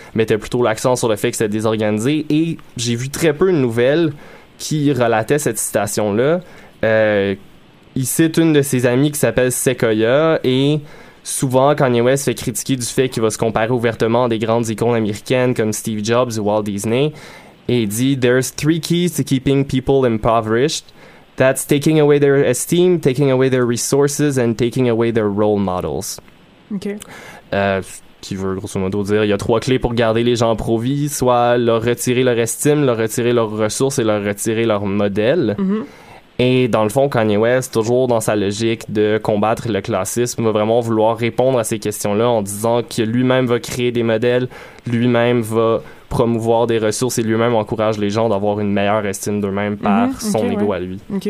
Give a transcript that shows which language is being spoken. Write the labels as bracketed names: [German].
[French] Mettait plutôt l'accent sur le fait que c'était désorganisé. Et j'ai vu très peu de nouvelles qui relatait cette citation-là. Il cite une de ses amies qui s'appelle Sequoia, et souvent Kanye West fait critiquer du fait qu'il va se comparer ouvertement à des grandes icônes américaines comme Steve Jobs ou Walt Disney, et il dit « There's three keys to keeping people impoverished. [English] That's taking away their esteem, taking away their resources, and taking away their role models. » OK. [French] Qui veut grosso modo dire, il y a trois clés pour garder les gens pro vie, soit leur retirer leur estime, leur retirer leurs ressources et leur retirer leur modèle. Et dans le fond, Kanye West, toujours dans sa logique de combattre le classisme, va vraiment vouloir répondre à ces questions-là en disant que lui-même va créer des modèles, lui-même va promouvoir des ressources et lui-même encourage les gens d'avoir une meilleure estime d'eux-mêmes par son égo à lui.